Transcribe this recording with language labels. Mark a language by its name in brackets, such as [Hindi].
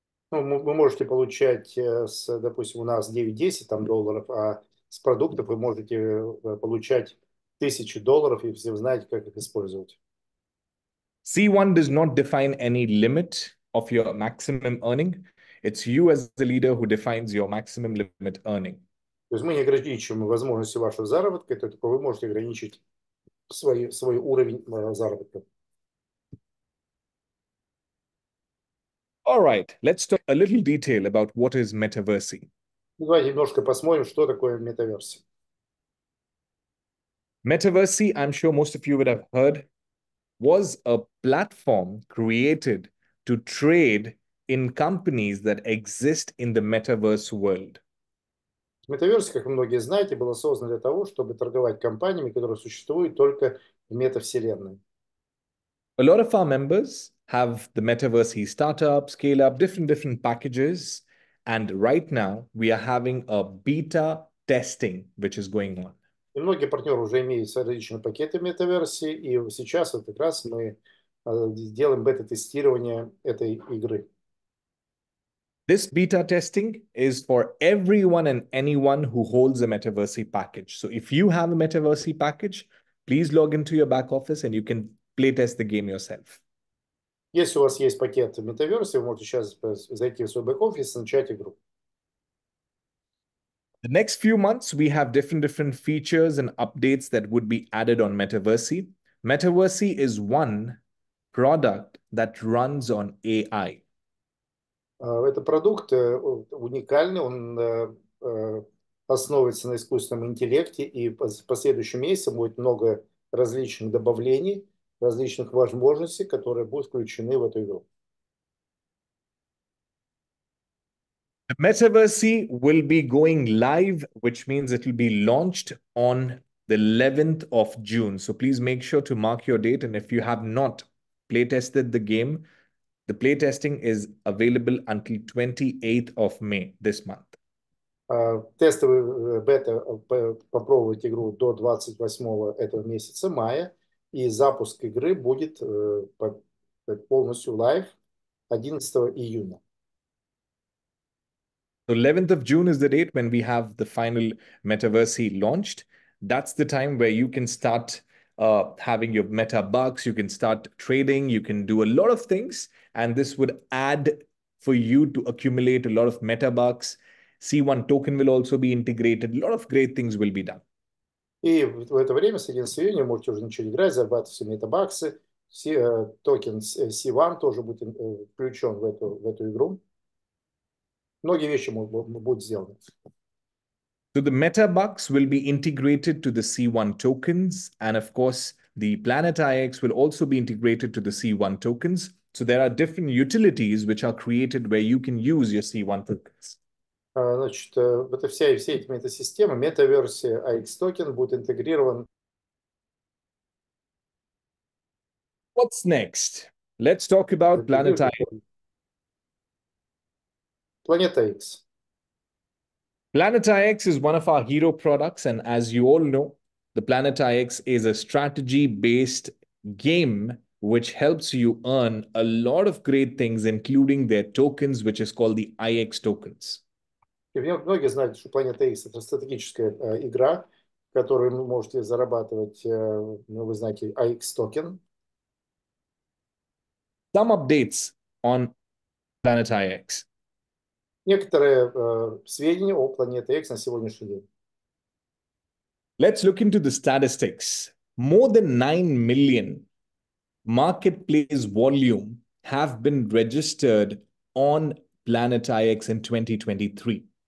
[Russian] Ну, вы можете получать, с, допустим, у нас 9-10 там долларов, а с продуктов вы можете получать $1,000, если вы знаете, как их использовать. [English] C1 does not define any limit of your maximum earning. It's you as the leader who defines your maximum limit earning. [Russian] То есть мы не ограничиваем возможности вашего заработка, только вы можете ограничить свой уровень заработка. [English] All right, let's talk a little detail about what is Metaversy. [Russian] Давайте немножко посмотрим, что такое Metaversy. [English] Metaversy, I'm sure most of you would have heard, was a platform created to trade in companies that exist in the Metaverse world. [Russian] Metaverse, как многие знаете, было создано для того, чтобы торговать компаниями, которые существуют только в метавселенной. [English] A lot of our members have the Metaversy startup, scale-up, different packages, and right now we are having a beta testing, which is going on. [Russian] И многие партнеры уже имеют различные пакеты Metaverse, и сейчас вот как раз мы делаем бета-тестирование этой игры. [English] This beta testing is for everyone and anyone who holds a Metaversy package. So if you have a Metaversy package, please log into your back office and you can play test the game yourself. [Russian] Если у вас есть пакет Metaverse, вы можете сейчас зайти в свой back office и начать игру. [English] The next few months, we have different features and updates that would be added on Metaversy. Metaversy is one product that runs on AI. [Russian] Это продукт уникальный, он основывается на искусственном интеллекте, и в последующем месяце будет много различных добавлений, различных возможностей, которые будут включены в эту игру. [English] The Metaversy will be going live, which means it will be launched on the 11th of June. So please make sure to mark your date, and if you have not playtested the game, the playtesting is available until 28th of May this month. [Russian] Тестовый бета попробовать игру до 28 этого месяца мая, и запуск игры будет полностью live 11 июня. [English] So 11th of June is the date when we have the final Metaversy launched. That's the time where you can start having your meta bucks, you can start trading, you can do a lot of things, and this would add for you to accumulate a lot of meta bucks. C1 token will also be integrated. A lot of great things will be done. [Russian] И в это время с 11 июня можете уже ничего не играть, зарабатывать все метабаксы. Токен C1 тоже будет включен в эту игру. Многие вещи будут сделаны. [English] So the Metabucks will be integrated to the C1 tokens, and of course, the Planet IX will also be integrated to the C1 tokens. So there are different utilities which are created where you can use your C1 tokens. [Russian] Значит, это все эти метасистемы, метаверсии, AX токен будет интегрирован. [English] What's next? Let's talk about Planet IX. Planet IX. Planet IX is one of our hero products, and as you all know, the Planet IX is a strategy-based game which helps you earn a lot of great things, including their tokens, which is called the IX tokens. [Russian] Многие знают, что Planet IX – это стратегическая игра, в которой вы можете зарабатывать, вы знаете, IX токен. [English] Some updates on Planet IX. [Russian] Некоторые сведения о Планете X на сегодняшний день. [English] Let's look into the statistics. More than 9 million marketplace volume have been registered on Planet IX in 2023.